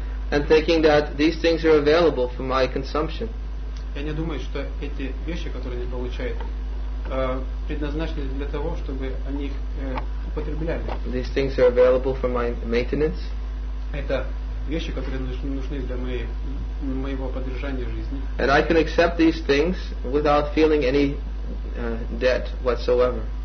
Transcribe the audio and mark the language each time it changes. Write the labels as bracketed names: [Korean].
[English] And thinking that these things are available for my consumption. [Russian] И они думают, что эти вещи, которые они получают, предназначены для того, чтобы они их употребляли. [English] These things are available for my maintenance. [Russian] Это вещи, которые нужны для моего поддержания жизни. [English] And I can accept these things without feeling any debt whatsoever.